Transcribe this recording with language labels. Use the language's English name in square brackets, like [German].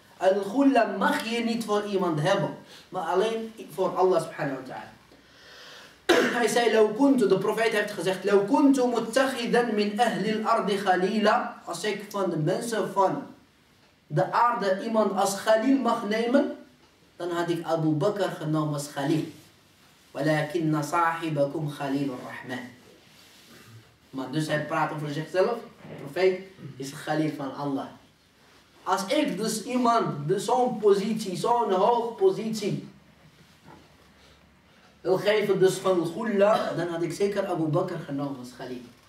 [Dutch] En de ghulla mag je niet voor iemand hebben. Maar alleen voor Allah [Arabic] subhanahu wa ta'ala. [Dutch] Hij zei, de profeet heeft gezegd, [Arabic] لو كنت متخذا من أهل الأرض خليلا, [Dutch] als ik van de mensen van de aarde iemand als khalil mag nemen, dan had ik Abu Bakr genomen als khalil. [Arabic] ولكن صاحبكم خليل الرحمن. [Dutch] Maar dus hij praat over zichzelf. De profeet is de khalil van Allah. Als ik dus iemand, dus zo'n positie, zo'n hoge positie, wil geven dus van Ghulla, dan had ik zeker Abu Bakr genomen als khalil.